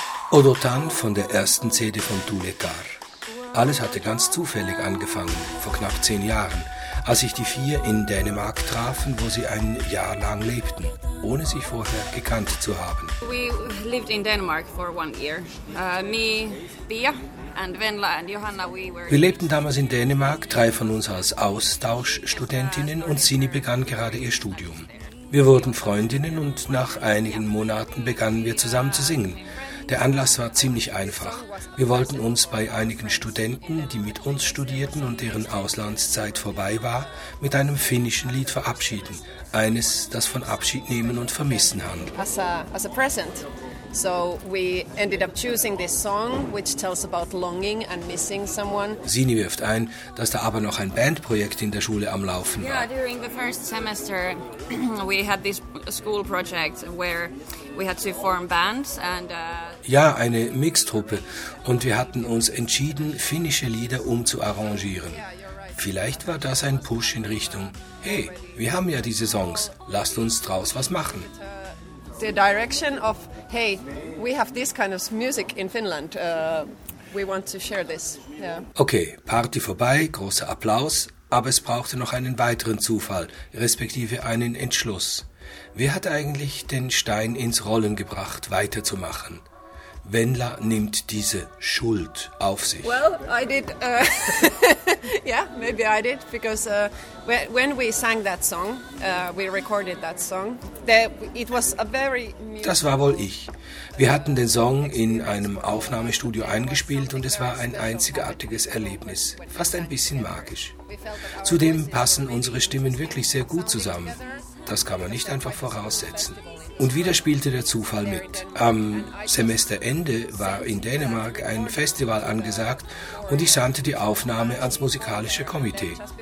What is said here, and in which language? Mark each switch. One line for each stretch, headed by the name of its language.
German: Odotan von der ersten CD von Tuuletar. Alles hatte ganz zufällig angefangen, vor knapp 10 Jahren, als ich die vier in Dänemark trafen, wo sie ein Jahr lang lebten, ohne sich vorher gekannt zu haben.
English: We lived in Denmark for one year. Me, Pia and Venla and Johanna, we were...
German: Wir lebten damals in Dänemark, drei von uns als Austauschstudentinnen und Sini begann gerade ihr Studium. Wir wurden Freundinnen und nach einigen Monaten begannen wir zusammen zu singen. Der Anlass war ziemlich einfach. Wir wollten uns bei einigen Studenten, die mit uns studierten und deren Auslandszeit vorbei war, mit einem finnischen Lied verabschieden. Eines, das von Abschied nehmen und vermissen handelt.
English: As a present. So we ended up choosing this song, which tells about longing and missing someone.
German: Sini wirft ein, dass da aber noch ein Bandprojekt in der Schule am Laufen war.
English: Yeah, during the first semester we had this school project where we had to form bands and
German: Ja, eine Mixtruppe, und wir hatten uns entschieden, finnische Lieder umzuarrangieren. Vielleicht war das ein Push in Richtung, hey, wir haben ja diese Songs, lasst uns draus was machen.
English: The direction of, hey, we have this kind of music in Finland, we want to share this. Yeah.
German: Okay, Party vorbei, großer Applaus, aber es brauchte noch einen weiteren Zufall, respektive einen Entschluss. Wer hat eigentlich den Stein ins Rollen gebracht, weiterzumachen? Venla nimmt diese Schuld auf sich.
English: Well, I did. yeah, maybe I did, because when we sang that song, we recorded that song. It was a very.
German: Das war wohl ich. Wir hatten den Song in einem Aufnahmestudio eingespielt und es war ein einzigartiges Erlebnis, fast ein bisschen magisch. Zudem passen unsere Stimmen wirklich sehr gut zusammen. Das kann man nicht einfach voraussetzen. Und wieder spielte der Zufall mit. Am Semesterende war in Dänemark ein Festival angesagt und ich sandte die Aufnahme ans musikalische Komitee.